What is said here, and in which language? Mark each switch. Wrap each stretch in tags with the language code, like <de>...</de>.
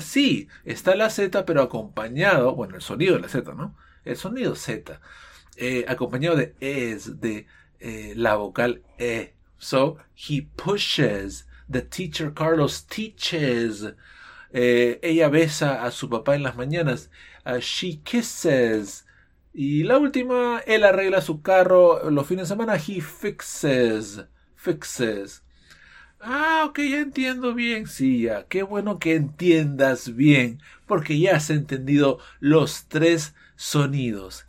<es>Sí, está la Z, pero acompañado, bueno, el sonido de la Z, ¿no? El sonido Z. Acompañado de es, de la vocal e.</es> <en>So, he pushes. The teacher Carlos teaches.</en> <es>Ella besa a su papá en las mañanas.</es> <en>She kisses.</en> <es>Y la última, él arregla su carro los fines de semana.</es> <en>He fixes. Fixes.</en> <es>Ah, ok, ya entiendo bien. Sí, ya. Qué bueno que entiendas bien. Porque ya has entendido los tres sonidos.</es>